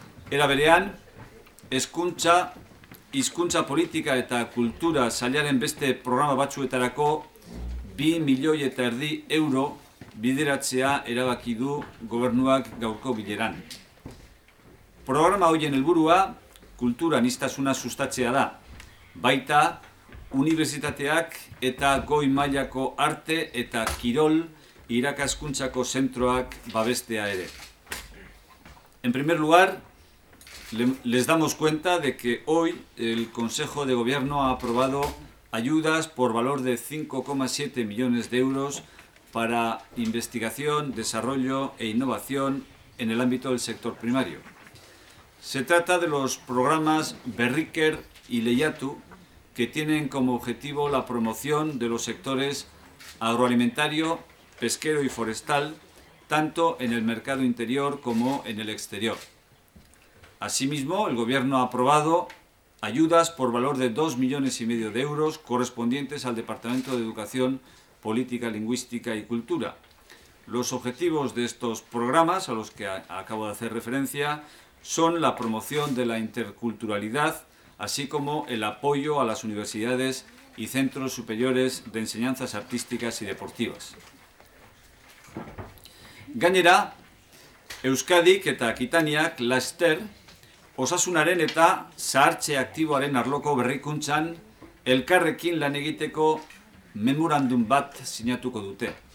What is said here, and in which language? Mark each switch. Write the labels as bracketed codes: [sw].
[eu] Era berean, hezkuntza, hizkuntza politika eta kultura sailaren beste programa batzuetarako 2 milioi eta erdi euro bideratzea erabaki du gobernuak gaurko bileran. Programa horien helburua kultura aniztasuna sustatzea da, baita unibertsitateak eta goi mailako arte eta kirol irakaskuntzako zentroak babestea ere. [es] En primer lugar, les damos cuenta de que hoy el Consejo de Gobierno ha aprobado ayudas por valor de 5,7 millones de euros para investigación, desarrollo e innovación en el ámbito del sector primario. Se trata de los programas Berriker y Lehiatu, que tienen como objetivo la promoción de los sectores agroalimentario, pesquero y forestal, tanto en el mercado interior como en el exterior. Asimismo, el Gobierno ha aprobado ayudas por valor de 2 millones y medio de euros correspondientes al Departamento de Educación, Política Lingüística y Cultura. Los objetivos de estos programas, a los que acabo de hacer referencia, son la promoción de la interculturalidad, así como el apoyo a las universidades y centros superiores de enseñanzas artísticas y deportivas. [eu] Gainera, Euskadik eta Akitaniak laster osasunaren eta zahartze aktiboaren arloko berrikuntzan elkarrekin lan egiteko memorandum bat sinatuko dute.